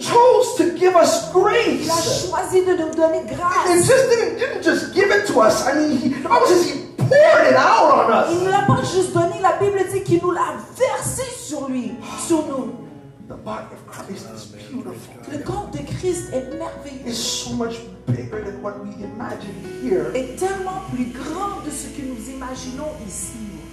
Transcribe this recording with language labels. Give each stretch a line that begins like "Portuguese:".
English: Chose to give us grace.
French: Il a choisi de nous donner grâce.
English: And just didn't just give it to us. I mean, he poured it out on us.
French: Il ne l'a pas juste donné. La Bible dit qu'il nous l'a versé sur lui, sur nous.
English: The body of Christ is beautiful.
French: Le corps de Christ est merveilleux.
English: It's so much bigger than what we imagine here.
French: Est tellement plus grand de ce que nous imaginons ici.